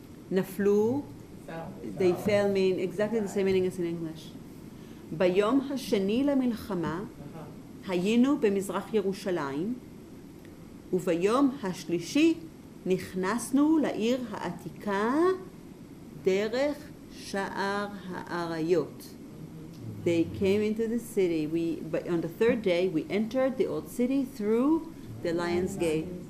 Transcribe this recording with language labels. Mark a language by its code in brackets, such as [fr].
[en] נפלו, they fell mean exactly the same meaning as in English. [he] ביום השני למלחמה היינו במזרח ירושלים, וביום השלישי נכנסנו לעיר העתיקה דרך שער האריות. [en] They came into the city. But on the third day, we entered the old city through the Lion's Gate.